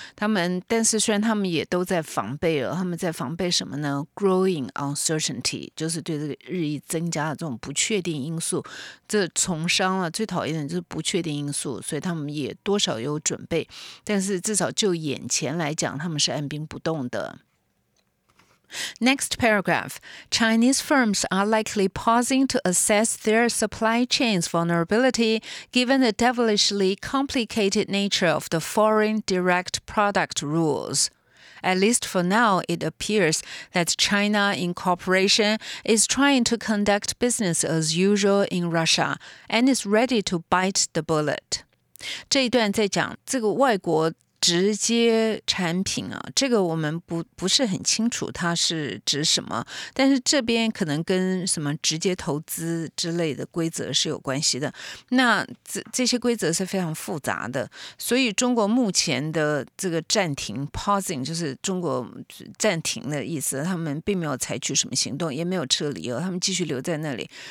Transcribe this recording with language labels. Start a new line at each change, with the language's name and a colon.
Chinese: 他们但是虽然他们也都在防备了，他们在防备什么呢 ？
English: Growing uncertainty，
Chinese: 就是对这个日益增加的这种不确定因素。这从商啊最讨厌的就是不确定因素，所以他们也多少有准备，但是至少就眼前来讲，他们是按兵不动的。
English: Next paragraph. Chinese firms are likely pausing to assess their supply chain's vulnerability given the devilishly complicated nature of the foreign direct product rules. At least for now, it appears that China, in cooperation, is trying to conduct business as usual in Russia and is ready to bite the bullet.
Chinese: 这一段在讲这个外国直接产品啊，这个我们不是很清楚它是指什么，但是这边可能跟什么直接投资之类的规则是有关系的。那这些规则是非常复杂的，所以中国目前的这个暂停 pausing 就是中国暂停的意思，他们并没有采取什么行动，也没有撤离哦，他们继续留在那里。